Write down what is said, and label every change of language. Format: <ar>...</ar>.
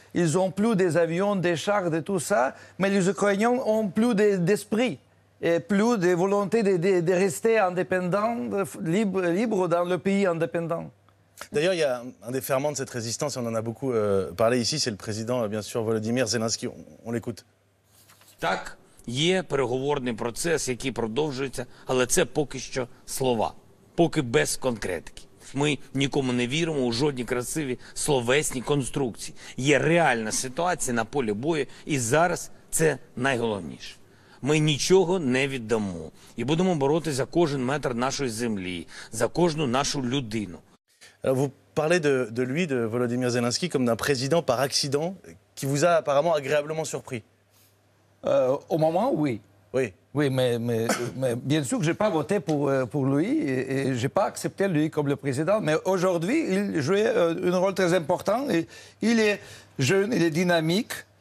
<fr>Ils ont plus des avions, des chars, de tout ça. Mais les Ukrainiens ont plus d'esprit et plus de volonté de rester indépendants, libres dans le pays indépendant. D'ailleurs, il y a un des ferments de cette résistance, et on en a beaucoup parlé ici, c'est le président, bien sûr, Volodymyr Zelensky. On l'écoute.</fr> <uk>Так, є переговорний процес, який продовжується, але це поки що слова, поки без конкретики. Ми нікому не віримо у жодні красиві словесні конструкції. Є реальна ситуація на полі бою, і зараз це найголовніше. Ми нічого не віддамо і будемо боротися за кожен метр нашої землі, за кожну нашу людину.</uk> <fr>Alors vous parlez de lui, de Volodymyr Zelensky, comme d'un président par accident qui vous a apparemment agréablement surpris. Au moment, oui. Oui. Oui, mais bien sûr que je n'ai pas voté pour lui et je n'ai pas accepté lui comme le président. Mais aujourd'hui, il jouait un rôle très important. Et il est jeune, il est dynamique.</fr>